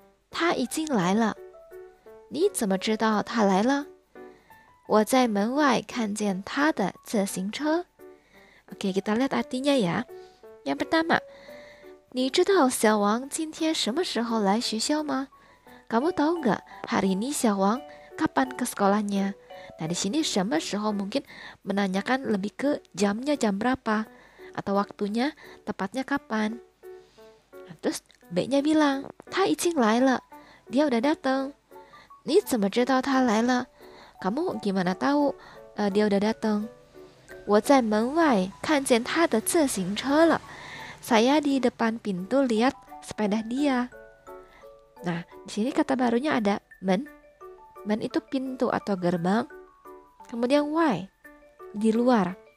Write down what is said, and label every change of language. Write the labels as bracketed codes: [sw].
[zh] 他已经来了。你怎么知道他来了？我在门外看见他的自行车。 [id] OK, kita lihat artinya ya. Yang pertama, [zh] 你知道小王今天什么时候来学校吗？ [id] Kamu tahu gak hari ini 小王 kapan ke sekolahnya? Nah, di sini 什么时候 mungkin menanyakan lebih ke jamnya jam berapa atau waktunya tepatnya kapan. Terus B-nya bilang, [zh] 他已经来了， [id] dia udah datang. [zh] 你怎么知道他来了？ [id] Kamu gimana tahu dia udah datang? [zh] 我在门外看见他的自行车了。 [id] Saya di depan pintu lihat sepeda dia. Nah, di sini kata barunya ada men. Men itu pintu atau gerbang. Kemudian why, di luar.